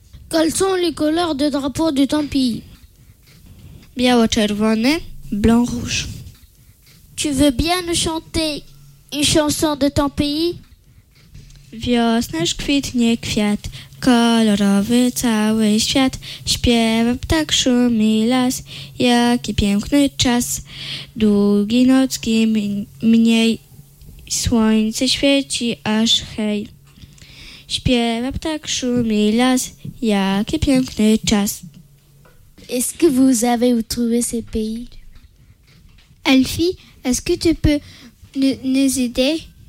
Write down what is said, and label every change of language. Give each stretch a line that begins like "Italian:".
French: Quelles sont les couleurs de drapeau de ton pays?
Polish: Biało-czerwony,
French: blanc-rouge. Tu veux bien nous chanter une chanson de ton pays?
Polish: Wiosna już kwitnie kwiat. Kolorowy cały świat, śpiewa ptak, szumi las, jaki piękny czas, długi nocki mniej, słońce świeci aż hej. Śpiewa ptak, szumi las, jaki piękny czas.
French: Est-ce que vous avez trouvé ces pays? Elfie, est-ce que tu peux nous aider?